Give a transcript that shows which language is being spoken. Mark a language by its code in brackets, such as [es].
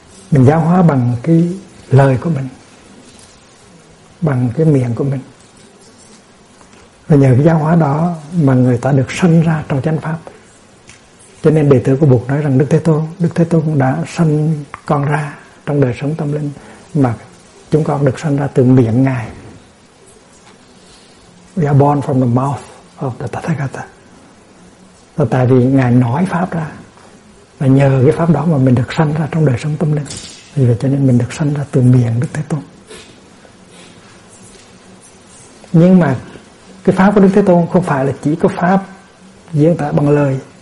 [vi] Mình giáo hóa bằng cái lời của mình, bằng cái miệng của mình. Và nhờ cái giáo hóa đó mà người ta được sanh ra trong chánh pháp. Cho nên đệ tử của Bụt nói rằng Đức Thế Tôn đã sanh con ra trong đời sống tâm linh, mà chúng con được sanh ra từ miệng Ngài. [en] We are born from the mouth of the Tathagata. [vi] Và tại vì Ngài nói pháp ra, và nhờ cái pháp đó mà mình được sanh ra trong đời sống tâm linh. Vì vậy cho nên mình được sanh ra từ miệng Đức Thế Tôn. Nhưng mà cái pháp của Đức Thế Tôn không phải là chỉ có pháp diễn tả bằng lời.